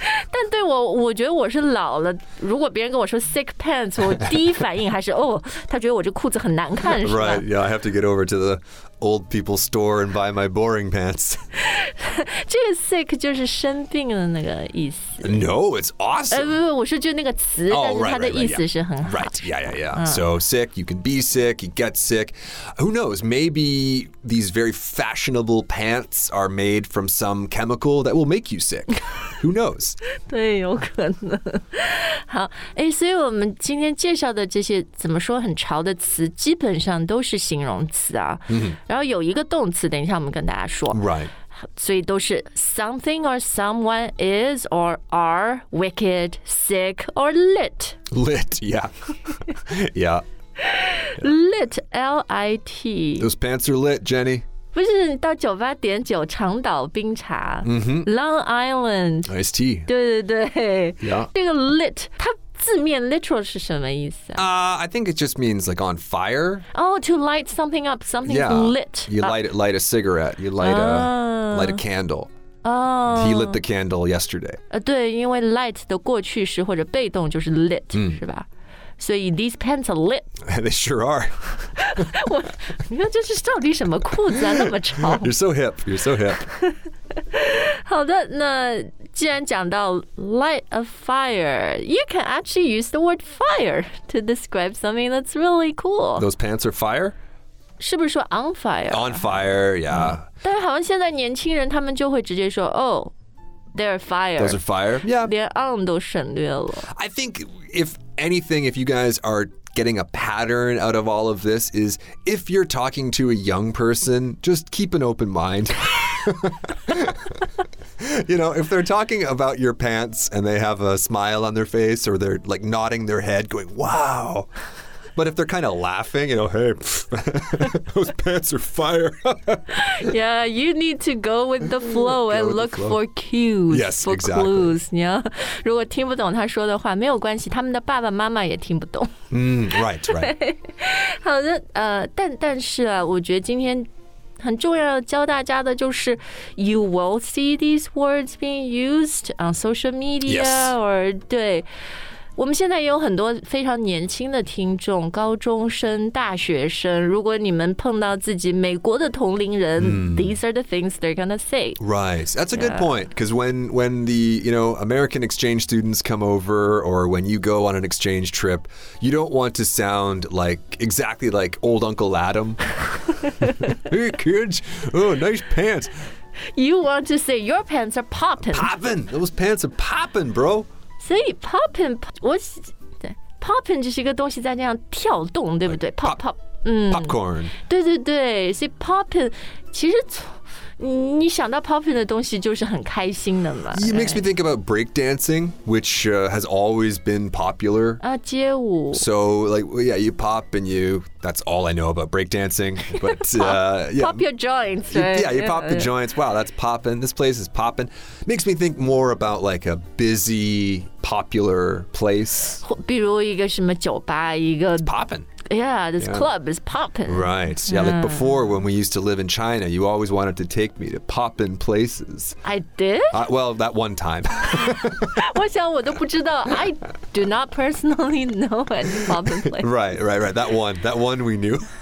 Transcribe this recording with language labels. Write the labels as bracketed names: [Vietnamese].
[Chinese] 但对我觉得我是老了。如果别人跟我说 [English] sick pants, [Chinese] 我第一反应还是哦，他觉得我这裤子很难看，是吧 [English] Right, yeah, I have to get over to the... old people store and buy my boring pants. [Chinese] 这个 sick 就是生病的那个意思。 [English] No, it's awesome. [Chinese] 不，我说就那个词，但是它的意思是很好。 [English] Right, yeah, yeah, yeah. So sick, you can be sick, you get sick. Who knows, maybe these very fashionable pants are made from some chemical that will make you sick. Who knows? [Chinese] 对，有可能。好，所以我们今天介绍的这些怎么说很潮的词，基本上都是形容词啊。然后有一个动词，等一下我们跟大家说。 [English] Right. [Chinese] 所以都是 [English] something or someone is or are wicked, sick or lit. Lit, yeah. yeah. Lit, L-I-T. Those pants are lit, Jenny. [Chinese] 不是你到98.9长岛冰茶、Long Island. [English] Iced tea. [Chinese] 对对对。 [English] Yeah. [Chinese] 这个 lit, 它字面 literal 是什么意思、 [English] 啊 I think it just means like on fire. Oh, to light something up, something yeah, lit. You light a cigarette, you light,、light a candle. He lit the candle yesterday. [Chinese] 对，因为 light 的过去式或者被动就是 lit,、mm. 是吧？所以 [English] these pants are lit. They sure are. [Chinese] 我，你说这是到底什么裤子啊？那么潮。 [English] You're so hip. You're so hip. [Chinese] 好的，那既然讲到 [English] light a fire, you can actually use the word fire to describe something that's really cool. Those pants are fire? [Chinese] 是不是说 on fire? [English] On fire, yeah.、 [Chinese] 嗯、但是好像现在年轻人他们就会直接说 [English] oh, they're fire. Those are fire, yeah. [Chinese] 连 on 都省略了。 [English] I think if anything, if you guys are getting a pattern out of all of this, is if you're talking to a young person, just keep an open mind. You know, if they're talking about your pants and they have a smile on their face or they're like nodding their head going, wow... But if they're kind of laughing, you know, hey, those pants are fire. Yeah, you need to go with the flow and look for cues. Yes, for exactly. Clues, yeah. [Chinese] 如果听不懂他说的话，没有关系，他们的爸爸妈妈也听不懂。 [English] Right, right. [Chinese] 好的，但是啊，我觉得今天很重要的教大家的就是 [English] you will see these words being used on social media、 yes. [Chinese] or 对。我们现在也有很多非常年轻的听众，高中生、大学生。如果你们碰到自己美国的同龄人、mm. [English] ，these are the things they're gonna say. Right, that's a good、yeah. point. Because when the you know American exchange students come over, or when you go on an exchange trip, you don't want to sound like exactly like old Uncle Adam. Hey kids, oh nice pants. You want to say your pants are popping. Popping, those pants are popping, bro. [Chinese] 所以 popping, 我对 popping 就是一个东西在那样跳动，对不对 ？ [English] Pop pop, popcorn. [Chinese] 对对对，所以 popping 其实你想到 popping 的东西就是很开心的嘛。 [English] It makes me think about breakdancing, which、has always been popular. [Chinese] 啊，街舞。 [English] So like, well, yeah, you pop and you. That's all I know about breakdancing. But yeah, pop your joints. Right? Yeah, you pop the joints. Wow, that's popping. This place is popping. Makes me think more about like a busy, popular place. [Chinese] 比如一个什么酒吧，一个 [English] popping. Yeah, this yeah. club is poppin'. Right. Yeah, like before when we used to live in China, you always wanted to take me to poppin' places. I did? Well, that one time. [Chinese] 我想我都不知道 [English] I do not personally know any poppin' place. Right, right, right. That one we knew.